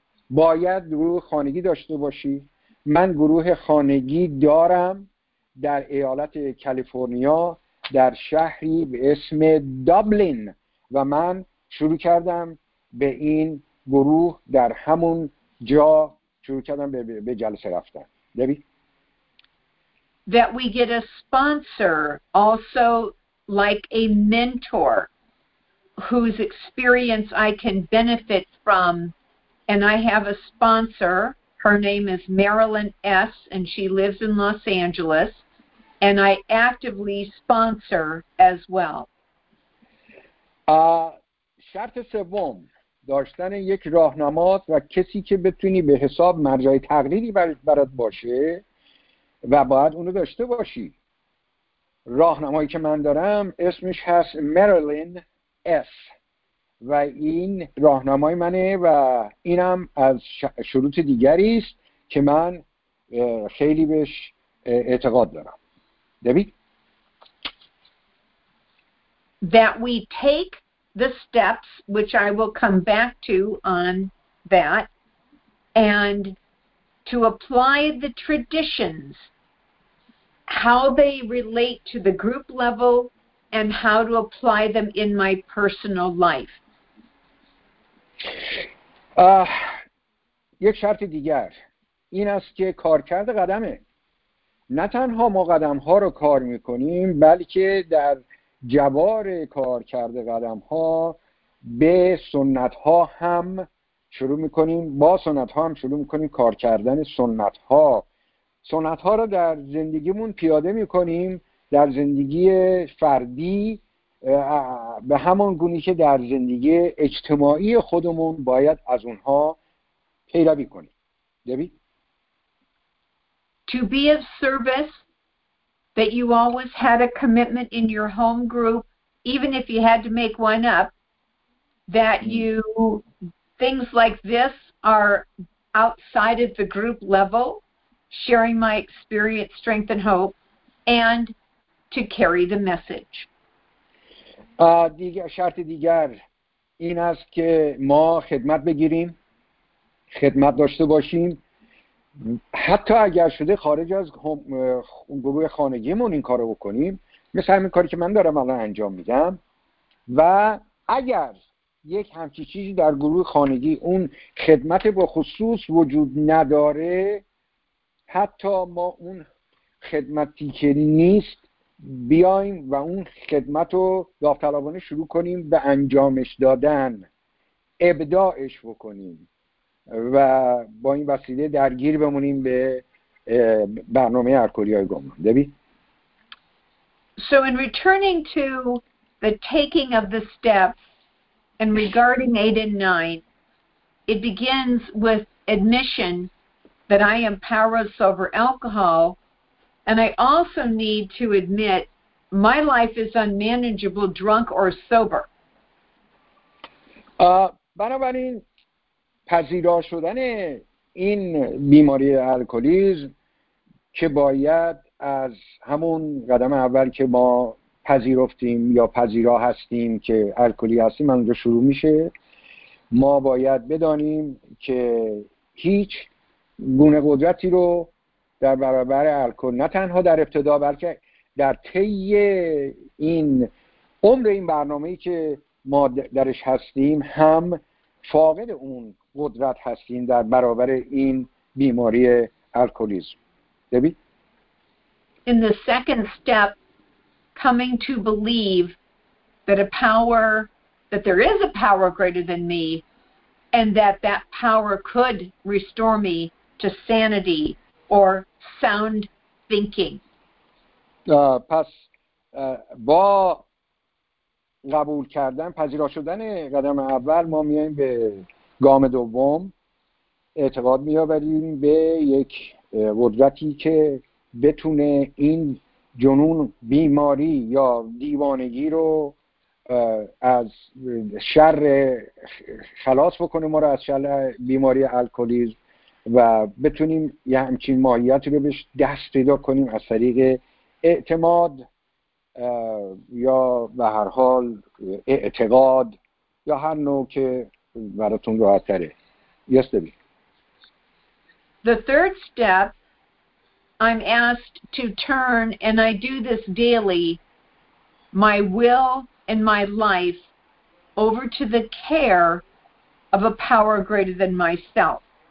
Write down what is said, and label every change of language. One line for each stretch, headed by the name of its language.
Persian: باید گروه خانگی داشته باشی. من گروه خانگی دارم در ایالت کالیفرنیا در شهری به اسم دابلین و من شروع کردم به این گروه در همون جا شروع کردم به جلسه رفتن. دبی؟
English: That we get a sponsor also like a mentor whose experience I can benefit from, and I have a sponsor. Her name is Marilyn S., and she lives in Los Angeles, and I actively sponsor as well.
Persian: شرط سوم داشتن یک راهنمات و کسی که بتونی به حساب مرجع تقلیدی برات باشه و باید اونو داشته باشی. راهنمایی که من دارم اسمش هست Marilyn S. و این راهنمای منه و اینم از شروط دیگری است که من خیلی بهش اعتقاد دارم. دبی؟
English: That we take the steps which I will come back to on that and to apply the traditions how they relate to the group level and how to apply them in my personal life.
Persian: یک شرط دیگر این است که کارکرد قدمه. نه تنها ما قدم‌ها رو کار می‌کنیم، بلکه در جوار کارکرد قدم‌ها به سنت‌ها هم شروع می‌کنیم، با سنت‌ها هم شروع می‌کنیم کار کردن سنت‌ها. سنت‌ها رو در زندگیمون پیاده می‌کنیم، در زندگی فردی به همان گونه که در زندگی اجتماعی خودمون باید از اونها پیروی کنیم. دبی؟
English: To be of service that you always had a commitment in your home group, even if you had to make one up, that you things like this are outside of the group level, sharing my experience, strength and hope, and to carry the message.
Persian: دیگر شرط دیگر این است که ما خدمت بگیریم، خدمت داشته باشیم، حتی اگر شده خارج از گروه خانگیمون این کارو بکنیم، مثل همین کاری که من دارم الان انجام میدم، و اگر یک همچی چیزی در گروه خانگی اون خدمت به خصوص وجود نداره، حتی ما اون خدمتی که نیست بیایم و اون خدمت رو داوطلبانه شروع کنیم به انجامش دادن، ابداعش بکنیم و با این وسیله درگیر بمونیم به برنامه الکلی های گمنام. دبی؟
English: So in returning to the taking of the steps and regarding 8 and 9, it begins with admission that I am powerless over alcohol, and I also need to admit my life is unmanageable drunk or sober.
Persian: بنابراین پذیرا شدن این بیماری الکلیسم که باید از همون قدم اول که ما پذیرفتیم یا پذیرا هستیم که الکلی هستیم اونجا شروع میشه. ما باید بدانیم که هیچ گونه قدرتی رو در برابر الکل نه تنها در ابتدا بلکه در طی این عمر این برنامه‌ای که ما درش هستیم هم فاقد اون قدرت هستیم در برابر این بیماری الکلیسم. دبی؟
English: In the second step, coming to believe that a power, that there is a power greater than me, and that that power could restore me to sanity or sound thinking.
Persian: پس با قبول کردن پذیرا شدن قدم اول ما میایم به گام دوم اعتقاد میآوریم به یک قدرتی که بتونه این جنون بیماری یا دیوانگی رو از شر خلاص بکنه ما رو از شر بیماری الکلیسم و بتونیم یه همچین ماهیتی رو بهش دست پیدا کنیم از طریق اعتماد یا به هر حال اعتقاد یا هر نوع که براتون راحت تره.
English: Yes, Debbie. The third step, I'm asked to turn, and I do this daily, my will and my life over to the care of a power greater than myself.